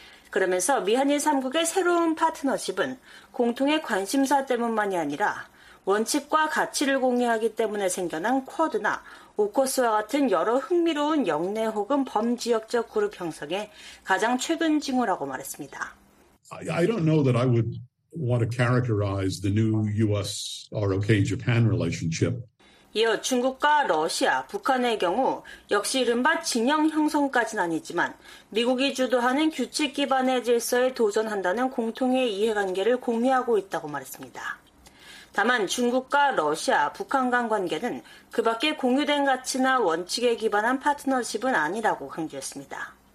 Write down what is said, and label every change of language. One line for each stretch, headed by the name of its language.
Korean: 그러면서 미한일 3국의 새로운 파트너십은 공통의 관심사 때문만이 아니라 원칙과 가치를 공유하기 때문에 생겨난 쿼드나 오커스와 같은 여러 흥미로운 영내 혹은 범지역적 그룹 형성에 가장 최근 징후라고 말했습니다.
English: I don't know that I would want to characterize the new U.S. ROK Japan relationship.
Korean: 이어 중국과 러시아, 북한의 경우 역시 이른바 진영 형성까지는 아니지만 미국이 주도하는 규칙 기반의 질서에 도전한다는 공통의 이해관계를 공유하고 있다고 말했습니다. 다만 중국과 러시아, 북한 간 관계는 그 밖에 공유된 가치나 원칙에 기반한 파트너십은 아니라고 강조했습니다.